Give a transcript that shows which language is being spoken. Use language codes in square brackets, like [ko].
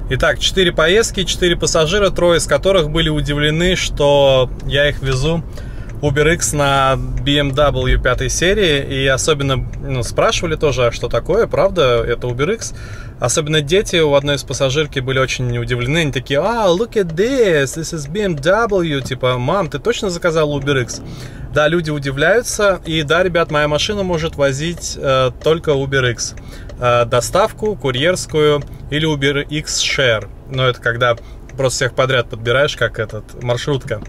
[ru] Итак, 4 поездки, 4 пассажира, трое из которых были удивлены, что я их везу UberX на BMW 5 серии. И особенно спрашивали тоже, что такое, правда, это UberX. Особенно дети у одной из пассажирки были очень удивлены. Они такие: [en] «А, look at this, this is BMW». [ru] Типа: «Мам, ты точно заказала UberX?» Да, люди удивляются. И да, ребят, моя машина может возить только UberX. Доставку, курьерскую или UberX Share. Но это когда просто всех подряд подбираешь, как этот, маршрутка.